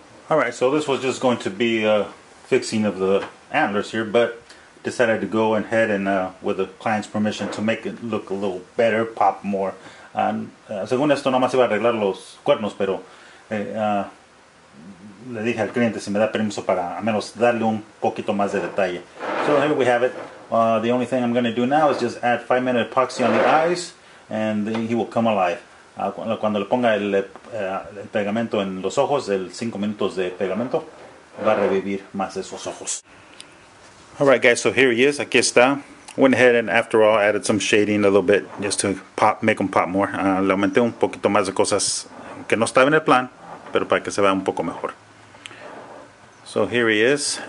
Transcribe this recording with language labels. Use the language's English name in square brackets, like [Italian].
[English] Alright, so this was just going to be a fixing of the antlers here, but decided to go ahead and with the client's permission to make it look a little better, pop more. [Spanish] Según esto, nomás iba a arreglar los cuernos, pero le dije al cliente si me da permiso para al menos darle un poquito más de detalle. [English] So here we have it. The only thing I'm going to do now is just add 5-minute epoxy on the eyes, and then he will come alive. [Spanish] Cuando le ponga el pegamento en los ojos, el 5 minutos de pegamento, va a revivir más esos ojos. [English] Alright guys, so here he is. [Spanish] Aquí está. [English] Went ahead and after all added some shading a little bit just to pop, make them pop more. [Spanish] Le aumenté un poquito más de cosas que no estaba en el plan, pero para que se vea un poco mejor. [English] So here he is.